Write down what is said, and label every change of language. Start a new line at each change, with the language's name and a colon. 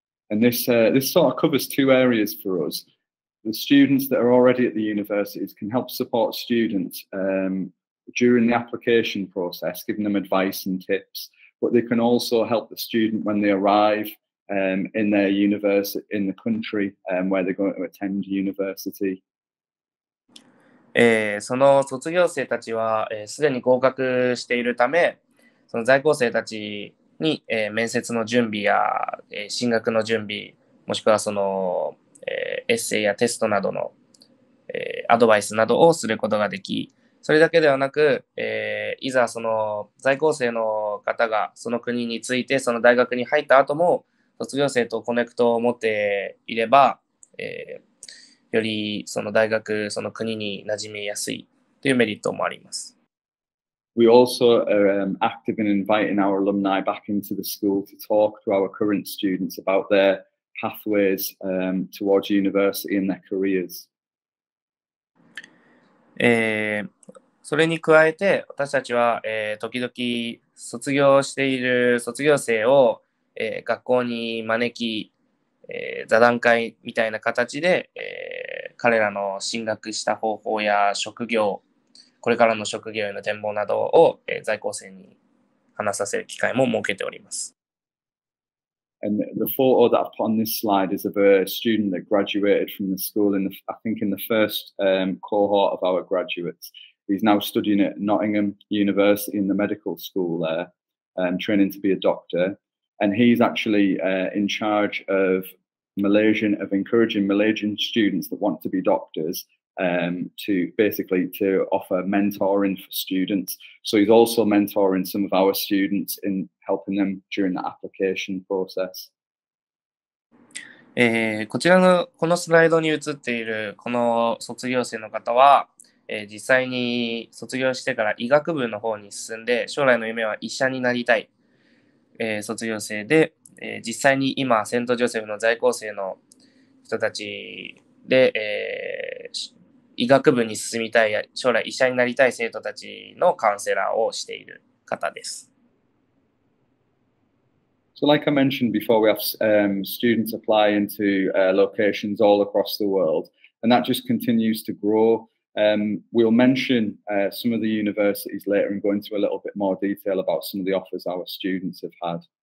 English: And this, this sort of covers two areas for us. The students that are already at the universities can help support students, during the application process, giving them advice and tips, but they can also help the student when they arrive, in their university, in the country, where they're going to attend university.
Japanese: その卒業生たちは、すでに合格しているため、その在校生たちに、面接の準備や、進学の準備、もしくはその、エッセイやテストなどの、アドバイスなどをすることができ、それだけではなく、いざその在校生の方がその国についてその大学に入った後も卒業生とコネクトを持っていれば、よりその大学、その国に馴染みやすいというメリットもあります。
English: We also are active in inviting our alumni back into the school to talk to our current students about their pathways towards university and their careers.
Japanese: それに加えて、私たちは、時々卒業している卒業生を、学校に招き、座談会みたいな形で、彼らの進学した方法や職業、これからの職業への展望などを、在校生に話させる機会も設けております。
English: And the photo that I've put on this slide is of a student that graduated from the school in the, I think in the first, cohort of our graduates. He's now studying at Nottingham University in the medical school there, training to be a doctor. And he's actually, in charge of Malaysian, of encouraging Malaysian students that want to be doctors, to basically to offer mentoring for students. So he's also mentoring some of our students in helping them during the application process.
Japanese: こちらのこのスライドに映っているこの卒業生の方は、実際に卒業してから医学部の方に進んで、将来の夢は医者になりたい、卒業生で、実際に今、セントジョセフの在校生の人たちで、医学部に進みたい、将来医者になりたい生徒たちのカウンセラーをしている方です。
English: So like I mentioned before, we have, students applying to, locations all across the world, and that just continues to grow. We'll mention, some of the universities later and go into a little bit more detail about some of the offers our students have had.